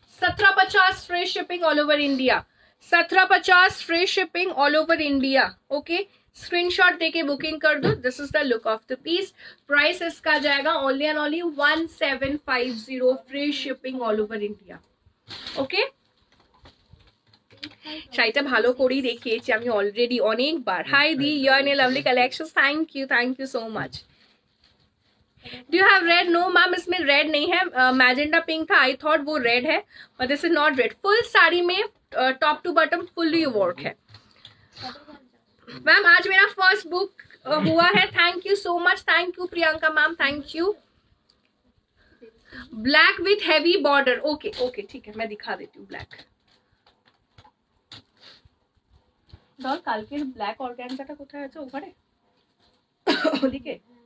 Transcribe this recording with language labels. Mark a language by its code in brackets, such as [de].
[en] 1750 free shipping all over India. 1750 free shipping all over India. [hi] Okay screenshot देके booking कर दो। [en] This is the look of the piece. Price [hi] इसका जाएगा [en] Only and only 1750 free shipping all over India. [bn] Okay শাড়িটা ভালো করেই দেখিয়েছি আমি অলরেডি অনেকবার। [en] Hi দি, you are in a lovely collection, thank you so much. Do you have red? No, ma'am, [hi] इसमें [en] red [hi] नहीं है, [en] magenta pink था, I thought [hi] वो [en] red है, but this is not red. Full [hi] sari में [en] top to bottom fully work है. Ma'am, [hi] आज मेरा [en] first book [hi] हुआ है, [en] thank you so much, thank you Priyanka ma'am, thank you. Black with heavy border, okay, okay, [hi] ठीक है, मैं दिखा देती हूँ [en] black. [hi] Doll, कालकेर black organza का कुछ है, अच्छा ऊपर है, ठीक है.